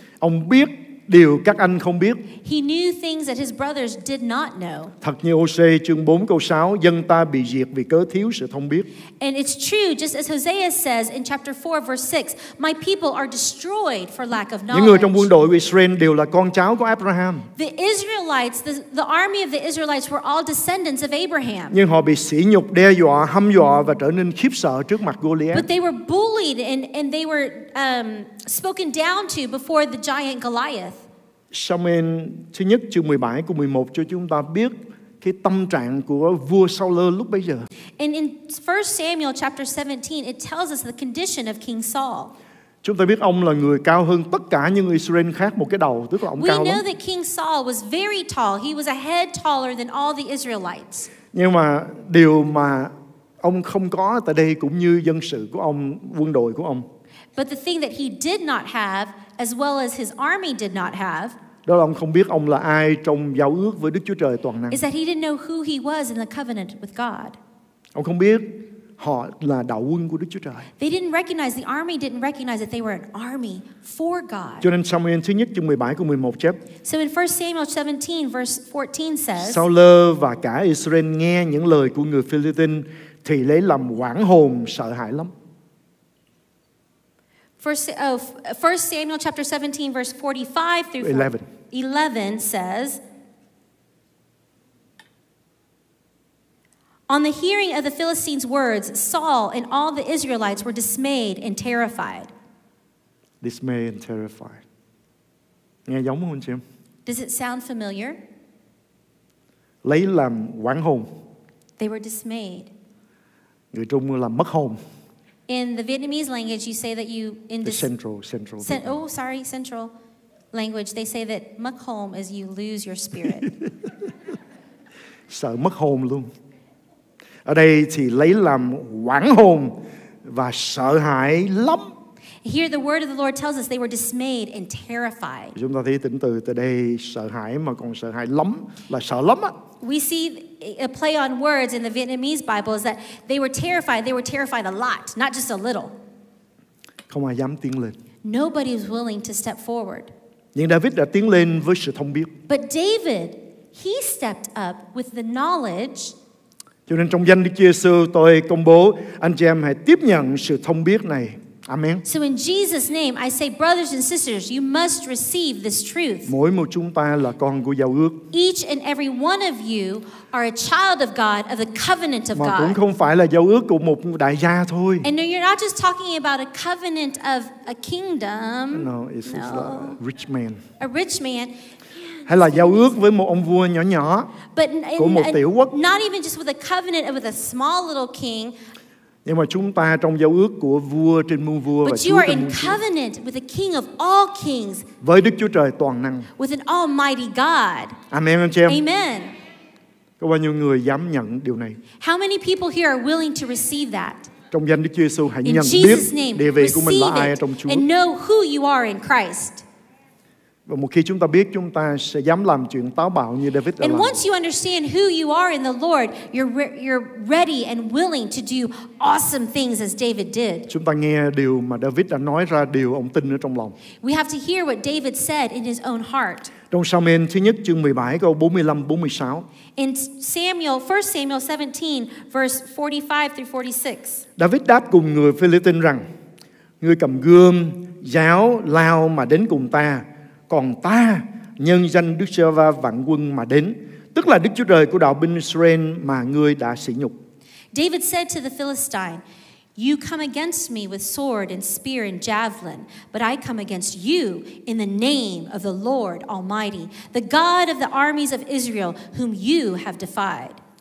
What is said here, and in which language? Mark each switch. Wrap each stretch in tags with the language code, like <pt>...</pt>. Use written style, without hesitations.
<vi>Ông biết điều các anh không biết.</vi> <en>He knew things that his brothers did not know.</en> <vi>Thật như Hosea chương 4 câu 6, dân ta bị diệt vì cớ thiếu sự thông biết.</vi> <en>And it's true, just as Hosea says in chapter 4 verse 6, my people are destroyed for lack of knowledge.</en> <vi>Những người trong quân đội của Israel đều là con cháu của Abraham.</vi> <en>The Israelites, the army of the Israelites were all descendants of Abraham.</en> <vi>Nhưng họ bị sỉ nhục, đe dọa, hăm dọa và trở nên khiếp sợ trước mặt Goliath.</vi> <en>But they were bullied and they were spoken down to before the giant Goliath.</en> <vi>Samuel thứ nhất chương 17 câu 11 cho chúng ta biết cái tâm trạng của vua Saul lúc bấy giờ.</vi> <en>And in 1 Samuel chapter 17 it tells us the condition of King Saul.</en> <vi>Chúng ta biết ông là người cao hơn tất cả những người Israel khác một cái đầu, tức là ông cao lắm.</vi> <en>We know that King Saul was very tall. He was a head taller than all the Israelites.</en> <vi>Nhưng mà điều mà ông không có tại đây cũng như dân sự của ông, quân đội của ông.</vi> <en>But the thing that he did not have, as well as his army did not have,</en> <vi>đó là ông không biết ông là ai trong giao ước với Đức Chúa Trời toàn năng.</vi> <en>Is that he didn't know who he was in the covenant with God.</en> <vi>Ông không biết họ là đạo quân của Đức Chúa Trời.</vi> <en>They didn't recognize, the army didn't recognize that they were an army for God.</en> <vi>Cho nên Samuel thứ nhất chương 17 câu 11 chép.</vi> <en>So in 1 Samuel 17 verse 14 says,</en> <vi>Saul và cả Israel nghe những lời của người Philistine thì lấy làm hoảng hồn sợ hãi lắm.</vi> <en>1 Samuel chapter 17 verse 45 through 11 says, on the hearing of the Philistines' words, Saul and all the Israelites were dismayed and terrified. Dismayed and terrified.</en> <vi>Nghe giống không chị?</vi> <en>Does it sound familiar?</en> <vi>Lấy làm hoảng hồn.</vi> <en>They were dismayed.</en> <vi>Người Trung là mất hồn.</vi> <en>In the Vietnamese language, you say that you in the central. Central language. They say that</en> <vi>mất hồn</vi> <en>is you lose your spirit.</en> <vi>Sợ mất hồn luôn. Ở đây thì lấy làm hoảng hồn và sợ hãi lắm.</vi> <en>Here the word of the Lord tells us they were dismayed and terrified.</en> <vi>Chúng ta thấy tỉnh từ từ đây sợ hãi mà còn sợ hãi lắm là sợ lắm á.</vi> <en>We see a play on words in the Vietnamese Bible is that they were terrified a lot, not just a little.</en> <vi>Không ai dám tiến lên.</vi> <en>Nobody was willing to step forward.</en> <vi>Nhưng David đã tiến lên với sự thông biết.</vi> <en>But David, he stepped up with the knowledge.</en> <vi>Cho nên trong danh Đức Chúa Giêsu tôi công bố anh chị em hãy tiếp nhận sự thông biết này.</vi> <en>Amen. So in Jesus' name, I say, brothers and sisters, you must receive this truth.</en> <vi>Mỗi một chúng ta là con của giao ước.</vi> <en>Each and every one of you are a child of God, of the covenant of</en> <vi>mà</vi> <en>God.</en> <vi>Mà cũng không phải là giao ước của một đại gia thôi.</vi> <en>And you're not just talking about a covenant of a kingdom. No, it's no. A rich man. A rich man.</en> <vi>Hay là giao ước với một ông vua nhỏ nhỏ</vi> <en>but,</en> <vi>của một tiểu quốc.</vi> <en>Not even just with a covenant with a small little king.</en> <vi>Nhưng mà chúng ta trong giao ước của vua trên muôn vua</vi> <en>but</en> <vi>và Chúa trên muôn Chúa.</vi> <en>With the king of all kings,</en> <vi>với Đức Chúa Trời toàn năng.</vi> <en>With an almighty God.</en> <vi>Amen, anh chị em.</vi> <en>Amen.</en> <vi>Có bao nhiêu người dám nhận điều này?</vi> <en>How many people here are willing to receive that?</en> <vi>Trong danh Đức Chúa Giêsu hãy</vi> <en>in</en> <vi>nhận</vi> <en>Jesus</en> <vi>biết</vi> <en>name,</en> <vi>địa vị của mình là ai trong Chúa.</vi> <en>And know who you are in Christ.</en> <vi>Và một khi chúng ta biết, chúng ta sẽ dám làm chuyện táo bạo như David</vi> <en>and</en> <vi>đã làm.</vi> <en>Once you understand who you are in the Lord, you're ready and willing to do awesome things as David did.</en> <vi>Chúng ta nghe điều mà David đã nói ra, điều ông tin ở trong lòng.</vi> <en>We have to hear what David said in his own heart.</en> <vi>Trong Samuel thứ nhất chương 17 câu 45-46.</vi> <en>In Samuel, 1 Samuel 17 verse 45-46.</en> <vi>David đáp cùng người Philistine rằng: Ngươi cầm gươm, giáo, lao mà đến cùng ta. Còn ta nhân danh Đức Giê-hô-va vạn quân mà đến, tức là Đức Chúa Trời của đạo binh Israel mà ngươi đã sỉ nhục.</vi> <en>David said to the Philistine, "You come against me with sword and spear and javelin, but I come against you in the name of the Lord Almighty, the God of the armies of Israel, whom you have defied."</en>